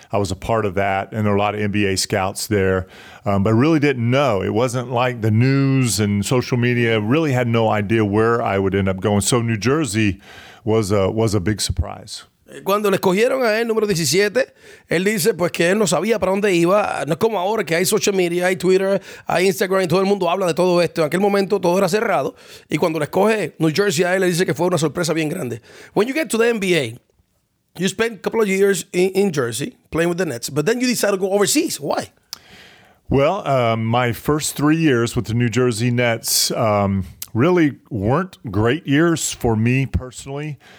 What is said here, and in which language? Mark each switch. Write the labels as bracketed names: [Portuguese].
[English] I was a part of that, and there were a lot of NBA scouts there, but I really didn't know. It wasn't like the news and social media. I really had no idea where I would end up going. So New Jersey was a big surprise. [Spanish] Cuando le escogieron a él, número 17, él dice pues que él no sabía para dónde iba. No es como ahora que hay social media, hay Twitter, hay Instagram y todo el mundo habla de todo esto. En aquel momento todo era cerrado. Y cuando le escoge New Jersey a él, le dice que fue una sorpresa bien grande. [English] When you get to the NBA, you spent a couple of years in Jersey playing with the Nets, but then you decided to go overseas. Why? Well, my first 3 years with the New Jersey Nets really weren't great years for me personally.